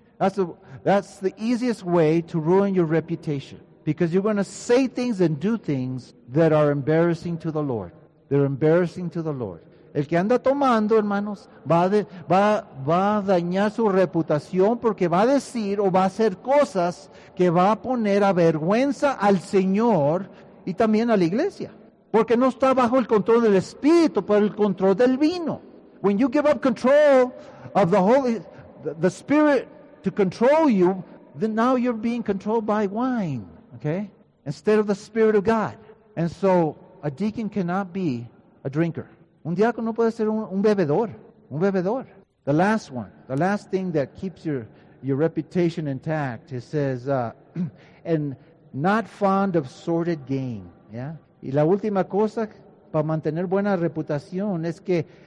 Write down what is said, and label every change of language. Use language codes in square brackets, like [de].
[en] That's the easiest way to ruin your reputation because you're going to say things and do things that are embarrassing to the Lord. They're embarrassing to the Lord. [es] El que anda tomando, hermanos, va a dañar su reputación porque va a decir o va a hacer cosas que va a poner a vergüenza al Señor y también a la iglesia. Porque no está bajo el control del Espíritu, pero el control del vino. [en] When you give up control of the Spirit to control you, then now you're being controlled by wine, okay? Instead of the Spirit of God. And so, a deacon cannot be a drinker. [es] Un diácono puede ser un bebedor, un bebedor. [en] The last one, the last thing that keeps your reputation intact, it says, and not fond of sordid gain. Yeah? [es] Y la última cosa para mantener buena reputación es que